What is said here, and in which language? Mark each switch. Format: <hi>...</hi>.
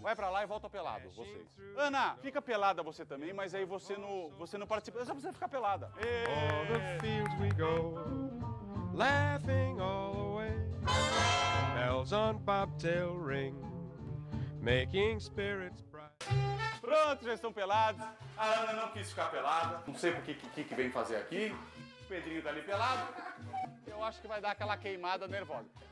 <pt>Vai pra lá e volta pelado, vocês. Ana, fica pelada você também, mas aí você não participa. Você precisa ficar pelada.</pt> <en>All the fields we go, laughing all the way. Bells on bobtail ring, making spirits bright.</en> <pt>Pronto, já estão pelados. A Ana não quis ficar pelada. Não sei o que vem fazer aqui. O Pedrinho tá ali pelado. Eu acho que vai dar aquela queimada nervosa.</pt>